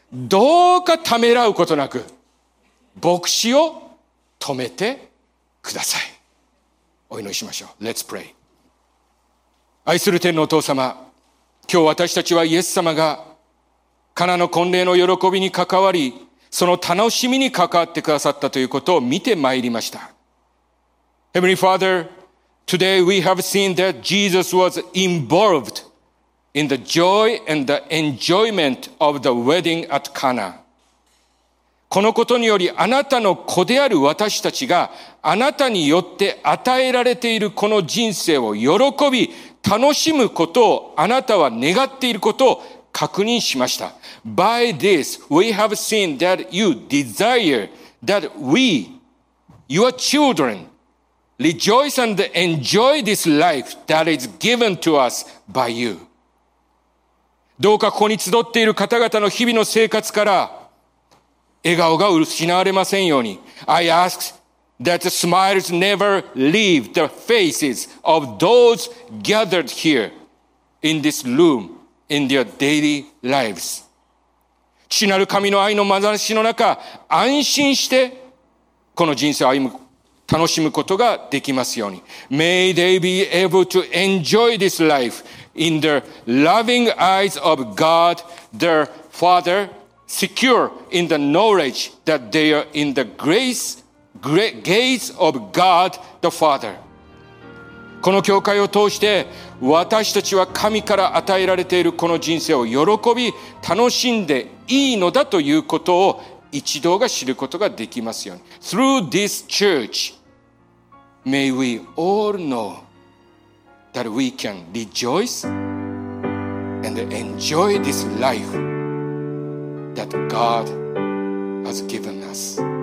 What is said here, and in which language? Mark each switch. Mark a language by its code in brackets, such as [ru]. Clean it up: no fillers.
[ja] どうかためらうことなく、牧師を止めてください。お祈りしましょう。 [en] Let's pray. [ja] 愛する天のお父様、今日私たちはイエス様が、カナの婚礼の喜びに関わり、その楽しみに関わってくださったということを見てまいりました。 [en] Heavenly Father, today we have seen that Jesus was involved in the joy and the enjoyment of the wedding at Cana. [ja] このことにより、あなたの子である私たちが、あなたによって与えられているこの人生を喜び、楽しむことをあなたは願っていることを確認しました。 [en] By this, we have seen that you desire that we, your children, rejoice and enjoy this life that is given to us by you. [ja] どうかここに集っている方々の日々の生活から笑顔が失われませんように。 [en] I ask that the smiles never leave the faces of those gathered here in this room. In their daily lives. [ja] 父なる神の愛のまなざしの中、安心して、この人生を歩む、楽しむことができますように。 [en] May they be able to enjoy this life in the loving eyes of God, their Father, secure in the knowledge that they are in the grace, great gates of God, the Father. [ja] この教会を通して私たちは神から与えられているこの人生を喜び楽しんでいいのだということを一同が知ることができますように。 [en] Through this church, may we all know that we can rejoice and enjoy this life that God has given us.